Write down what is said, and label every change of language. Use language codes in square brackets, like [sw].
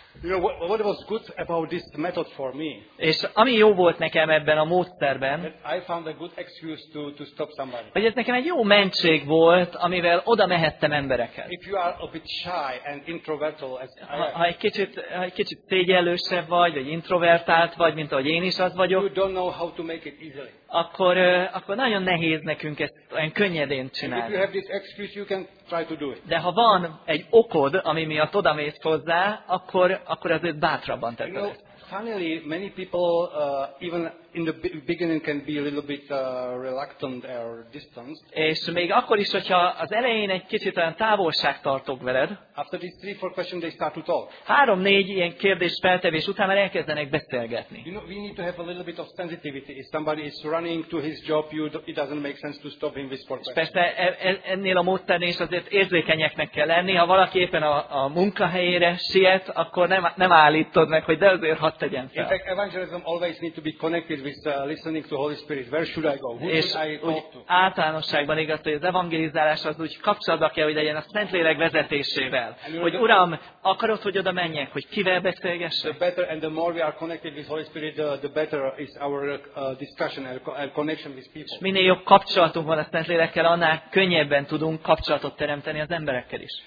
[en] You know, what was good about this method for me? [hu] És ami jó volt nekem ebben a módszerben? [en] I found a good excuse to stop somebody. [hu] Vagy ez nekem egy jó mentség volt, amivel oda mehettem embereket. [en] If you are a bit shy and introvertal as I am. [hu] Ha egy kicsit szégyellősebb vagy introvertált vagy, mint ahogy én is az vagyok. [en] You don't know how to make it easily. [hu] Akkor nagyon nehéz nekünk ezt olyan könnyedén csinálni. [en] If you have this excuse, you can try to do it. [hu] De ha van egy okod, ami miatt oda mész hozzá, akkor azért bátrabban tetted. [en] You know, finally, many people even in the beginning can be a little bit reluctant or distant. [hu] És még akkor is, hogyha az elején egy kicsit olyan távolság tartok veled. [en] After these 3-4 questions, they start to talk. [hu] 3-4 ilyen kérdés feltevés után már elkezdenek beszélgetni. [en] You know, we need to have a little bit of sensitivity. If somebody is running to his job, it doesn't make sense to stop him with sport. [hu] Persze, ennél a módszernél is azért érzékenyeknek kell lenni. Ha valaki éppen a munkahelyére siet, akkor nem állítod meg, hogy de azért hadd tegyen fel. [en] In fact, evangelism always need to be connected with listening to Holy Spirit. Where should I go? Who should I talk to? [hu] Általánosságban igaz, hogy az evangelizálás az úgy kapcsolatba kell, hogy legyen a Szentlélek vezetésével. Hogy Uram, akarod, hogy oda menjek, hogy kivel beszélgessek? [en] The better and the more we are connected with Holy Spirit, the better is our discussion and connection with people. [hu] És minél jobb kapcsolatunk van a Szentlélekkel, annál könnyebben tudunk kapcsolatot teremteni az emberekkel is.